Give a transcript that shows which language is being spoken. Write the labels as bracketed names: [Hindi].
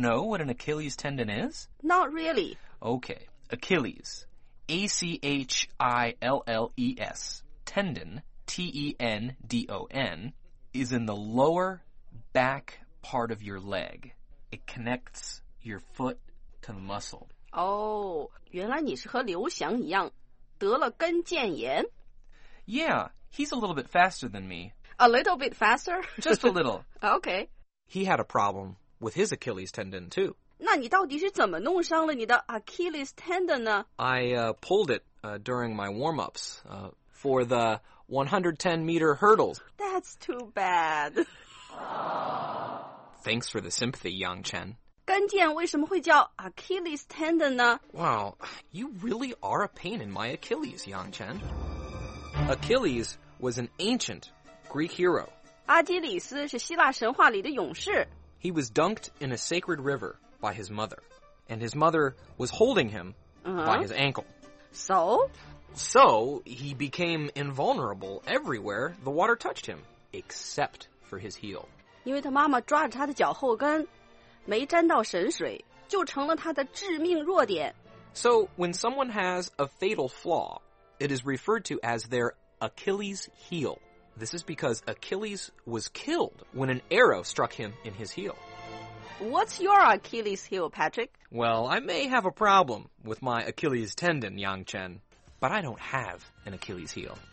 [English] know what an Achilles tendon is? Not really. Okay, Achilles. A-C-H-I-L-L-E-S. Tendon, T-E-N-D-O-N, is in the lower back part of your leg. It connects your foot to the muscle. [Chinese] Oh, 原来你是和刘翔一样得了跟腱炎? [English] Yeah, he's a little bit faster than me. A little bit faster? Just a little. Okay. He had a problem with his Achilles tendon, too. [Chinese] 那你到底是怎么弄伤了你的 Achilles tendon 呢? [English] I pulled it during my warm-ups for the 110-meter hurdles. That's too bad. Thanks for the sympathy, Yang Chen. [Chinese] 跟腱为什么会叫 Achilles tendon 呢? [English] Wow, you really are a pain in my Achilles, Yang Chen. Achilles was an ancient Greek hero. [Chinese] 阿基里斯是希腊神话里的勇士。 [English] He was dunked in a sacred river by his mother, and his mother was holding him、by his ankle. So? So, he became invulnerable everywhere the water touched him, except for his heel. [Chinese] 因为他妈妈抓着他的脚后跟，没沾到神水，就成了他的致命弱点。 [English] So, when someone has a fatal flaw, it is referred to as their Achilles heel. This is because Achilles was killed when an arrow struck him in his heel. What's your Achilles heel, Patrick? Well, I may have a problem with my Achilles tendon, Yang Chen, but I don't have an Achilles heel.